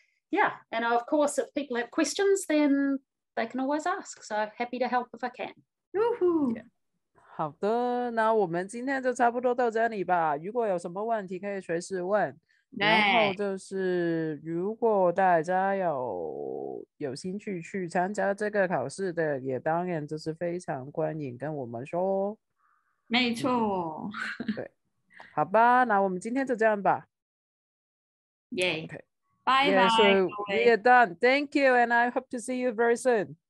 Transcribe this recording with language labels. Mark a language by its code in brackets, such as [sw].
[en] Yeah, and of course if people have questions then they can always ask, so happy to help if I can. Woohoo! Yeah. [zh] 好的，那我们今天就差不多到这里吧，如果有什么问题可以随时问，然后就是如果大家有兴趣去参加这个考试的，也当然就是非常欢迎跟我们说，没错，对，好吧，那我们今天就这样吧，耶，拜拜， [en] so we are done, thank you and I hope to see you very soon,